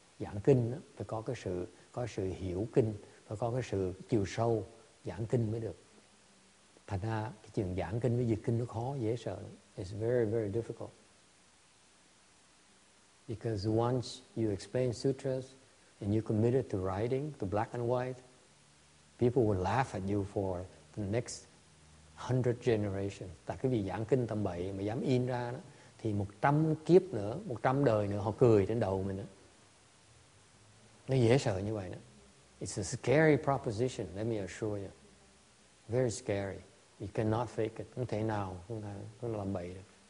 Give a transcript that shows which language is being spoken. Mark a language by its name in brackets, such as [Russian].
[Vietnamese] Giảng kinh phải có sự hiểu kinh, phải có cái sự chiều sâu giảng kinh mới được. Thành ra cái chuyện giảng kinh với dịch kinh nó khó dễ sợ. [English] It's very, very difficult. Because once you explain sutras and you committed to writing the black and white, people will laugh at you for the next 100 generations. [Vietnamese] Tại cái vì giảng kinh tầm bậy mà dám in ra đó, thì 100 kiếp nữa, 100 đời nữa họ cười trên đầu mình đó. Nó dễ sợ như vậy đó. [English] It's a scary proposition, let me assure you. Very scary. You cannot fake it. [Vietnamese] Không thể nào không làm bậy được.